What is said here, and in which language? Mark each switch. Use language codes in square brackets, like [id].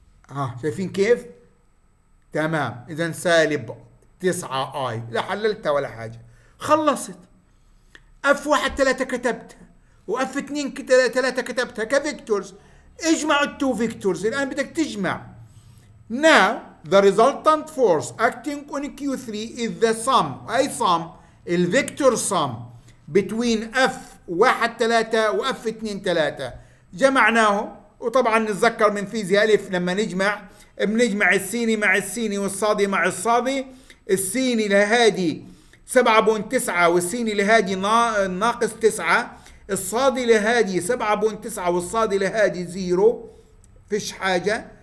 [ar] ها شايفين كيف؟ تمام، اذا سالب 9i، لا حللتها ولا حاجة، خلصت. اف واحد ثلاثة كتبتها واف اثنين ثلاثة كتبتها كفيكتورز، اجمع التو فيكتورز. الان بدك تجمع. [en] Now the resultant force acting on Q3 is the sum. [ar] اي sum؟ الفيكتور [en] sum between [ar] اف واحد ثلاثة واف اثنين ثلاثة، جمعناهم. وطبعا نتذكر من فيزياء الف لما نجمع، بنجمع السيني مع السيني والصادي مع الصادي، السيني لهادي 7.9 والسيني لهادي ناقص 9، الصادي لهادي 7.9 والصادي لهادي 0، فيش حاجة.